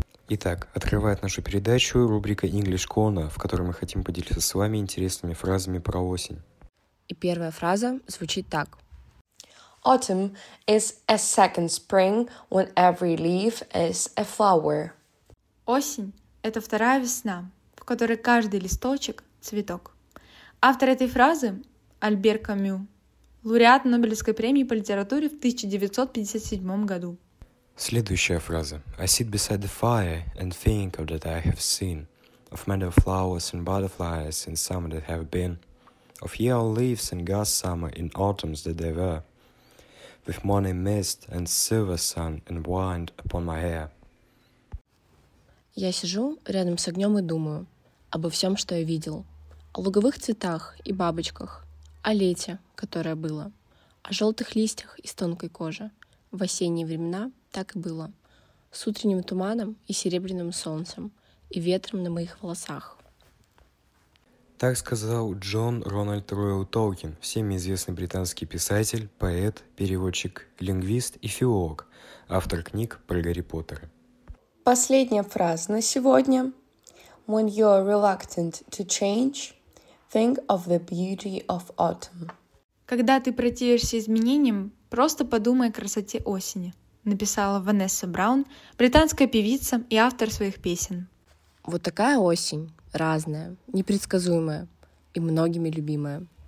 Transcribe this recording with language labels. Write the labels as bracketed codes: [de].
[ru] Итак, открывает нашу передачу рубрика English Corner, в которой мы хотим поделиться с вами интересными фразами про осень. И первая фраза звучит так. [en] Autumn is a second spring when every leaf is a flower. [ru] Осень – это вторая весна, в которой каждый листочек – цветок. Автор этой фразы – Альбер Камю, лауреат Нобелевской премии по литературе в 1957 году. Следующая фраза. [en] I sit beside the fire and think of that I have seen, of meadow flowers and butterflies in summer that have been, of yellow leaves and grass summer in autumns that they were. With morning mist and silver sun and wind upon my hair. [ru] Я сижу рядом с огнем и думаю обо всем, что я видел. О луговых цветах и бабочках, о лете, которое было, о желтых листьях из тонкой кожи. В осенние времена так и было. С утренним туманом и серебряным солнцем, и ветром на моих волосах. Так сказал Джон Рональд Роял Толкин, всеми известный британский писатель, поэт, переводчик, лингвист и филолог, автор книг про Гарри Поттера. Последняя фраза на сегодня. [en] When you are reluctant to change, think of the beauty of autumn. [ru] Когда ты противишься изменениям, просто подумай о красоте осени, написала Ванесса Браун, британская певица и автор своих песен. Вот такая осень. Разная, непредсказуемая и многими любимая.